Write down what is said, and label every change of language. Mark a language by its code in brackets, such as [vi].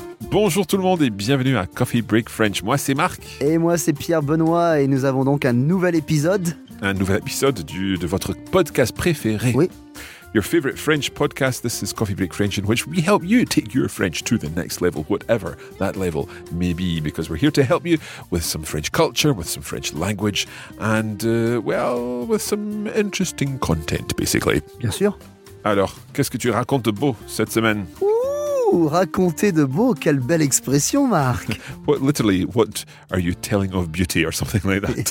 [fr] Bonjour tout le monde et bienvenue à Coffee Break French. Moi c'est Marc. Et moi c'est Pierre-Benoît et nous avons donc un nouvel épisode. Un nouvel épisode de votre podcast préféré. Oui. [en] Your favorite French podcast, this is Coffee Break French, in which we help you take your French to the next level, whatever that level may be, because we're here to help you with some French culture, with some French language, and with some interesting content, basically. [fr] Bien sûr. Alors, qu'est-ce que tu racontes de beau cette semaine? Raconter de beau, quelle belle expression, Marc. [en] What, literally, what are you telling of beauty or something like that?